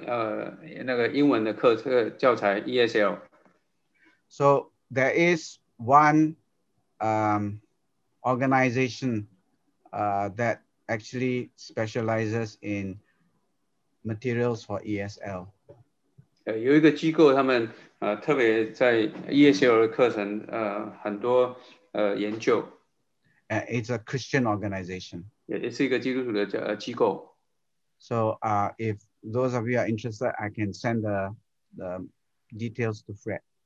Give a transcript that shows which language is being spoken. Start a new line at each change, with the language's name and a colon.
Chinese: 有很多课程是像那个英文的课这个教材 ESL.
English: So there is one organization that actually specializes in materials for ESL.
Chinese: 有一个机构，他们特别在 ESL 的课程很多研究.
English: It's a Christian organization.
Chinese: 也是一个基督徒的机构.
English: So if those of you are interested, I can send the details to Fred.